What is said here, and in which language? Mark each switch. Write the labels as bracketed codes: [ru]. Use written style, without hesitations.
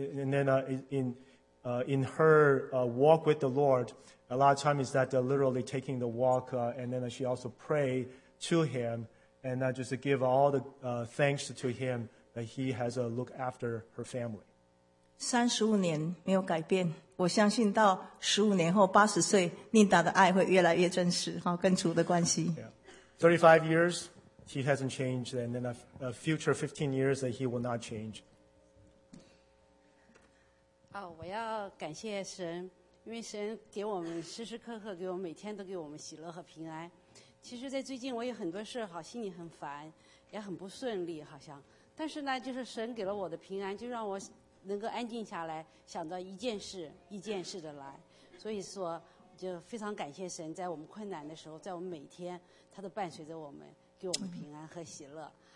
[en] In her walk with the Lord, a lot of times is that they're literally taking the walk, and then she also pray to him, and just to give all the thanks to him that he has a look after her family. [zh] 35年没有改变，我相信到15年后80岁，宁达的爱会越来越真实，好跟主的关系。 [en] 35 years. He hasn't changed, and in a future 15 years that he will not change. [zh] 我要感谢神，因为神给我们时时刻刻给我们每天都给我们喜乐和平安。其实在最近我有很多事，好心里很烦，也很不顺利好像，但是呢就是神给了我的平安，就让我能够安静下来，想到一件事一件事的来，所以说就非常感谢神，在我们困难的时候，在我们每天他都伴随着我们，给我们平安和喜乐。